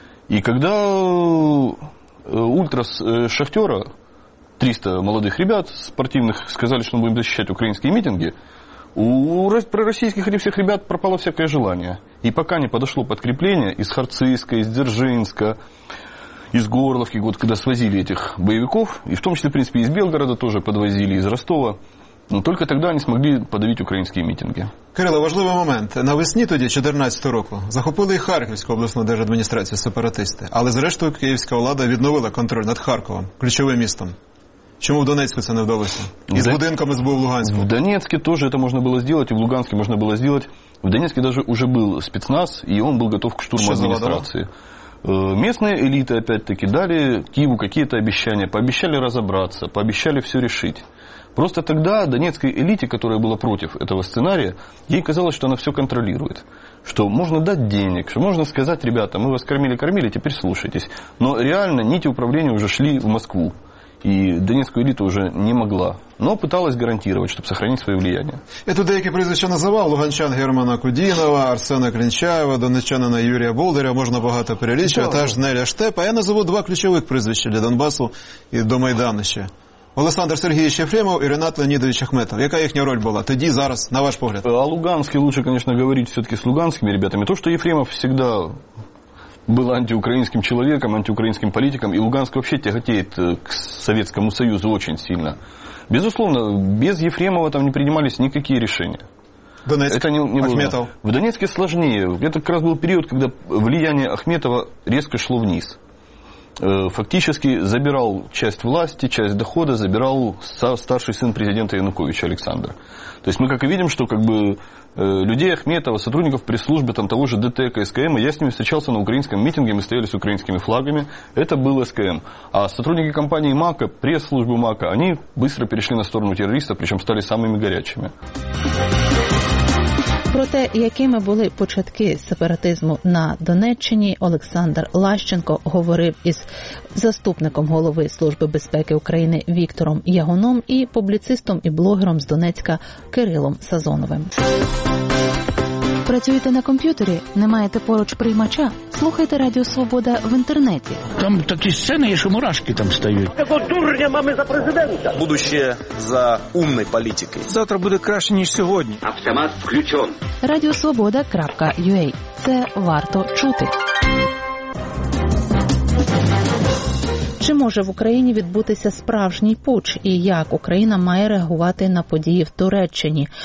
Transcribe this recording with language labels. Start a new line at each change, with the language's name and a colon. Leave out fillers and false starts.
Russian: И когда ультрас Шахтера, 300 молодых ребят спортивных, сказали, что мы будем защищать украинские митинги, у пророссийских этих всех ребят пропало всякое желание. И пока не подошло подкрепление из Харцизска, из Дзержинска, из Горловки, вот, когда свозили этих боевиков, и в том числе, в принципе, из Белгорода тоже подвозили, из Ростова, но только тогда они смогли подавить украинские митинги.
Ukrainian: Кирило, важливий момент. Навесні тоді, 2014 року, захопили і Харківську обласну держадміністрацію сепаратисти, але зрештою київська влада відновила контроль над Харковом, ключовим містом. Чому в Донецьку це не вдалося? І з будинком СБУ в Луганську. В Донецьку теж це можна було зробити, і в Луганську можна було зробити. В Донецьку навіть вже був спецназ, і він був готовий до штурму адміністрації. Місцеві еліти, опять-таки, дали Києву якісь обіцянки, пообіцяли розібратися, пообіцяли все вирішити. Просто тоді донецькій еліті, яка була проти цього сценарію, їй казалось, що вона все контролює.
Russian: Что можно дать денег, что можно сказати, ребята, ми вас кормили-кормили, тепер слушайтесь.
Ukrainian: Но реально ніті управління вже йшли в Москву.
Russian: И донецкую элиту уже не могла. Но пыталась гарантировать, чтобы сохранить свое влияние.
Ukrainian: Я тут деякі прізвища називав. Луганчан Германа Кудінова, Арсена Клінчаєва, донеччанина Юрія Болдиря. Можна багато перелічувати. Аж Неля Штепа. Я назову два ключових прізвища для Донбасу і до Майдану ще. Олександр Сергійович Єфремов і Ренат Леонідович Ахметов. Яка їхня роль була тоді, зараз, на ваш погляд? А луганський, лучше, звісно, говорити все-таки з луганськими ребятами. То, що Єфремов завжди
Russian: был антиукраинским человеком, антиукраинским политиком, и Луганск вообще тяготеет к Советскому Союзу очень сильно. Безусловно, без Ефремова там не принимались никакие решения. Донецк, это не Ахметов. В Донецке сложнее. Это как раз был период, когда влияние Ахметова резко шло вниз. Фактически забирал часть власти, часть дохода, забирал старший сын президента Януковича Александра. То есть мы как и видим, что как бы людей Ахметова, сотрудников пресс-службы там, того же ДТК, СКМ, я с ними встречался на украинском митинге, мы стояли с украинскими флагами, это был СКМ. А сотрудники компании МАКа, пресс-службы МАКа, они быстро перешли на сторону террористов, причем стали самыми горячими.
Ukrainian: Про те, якими були початки сепаратизму на Донеччині, Олександр Лащенко говорив із заступником голови Служби безпеки України Віктором Ягоном і публіцистом і блогером з Донецька Кирилом Сазоновим. Працюєте на комп'ютері? Не маєте поруч приймача? Слухайте Радіо Свобода в інтернеті. Там такі сцени, що мурашки там стають. Якого дурня мами за президента?
Russian: Будущее за умной политикой.
Ukrainian: Завтра буде краще, ніж сьогодні.
Russian: Автомат включен.
Ukrainian: Радіосвобода.ua. Це варто чути. Чи може в Україні відбутися справжній путч? І як Україна має реагувати на події в Туреччині?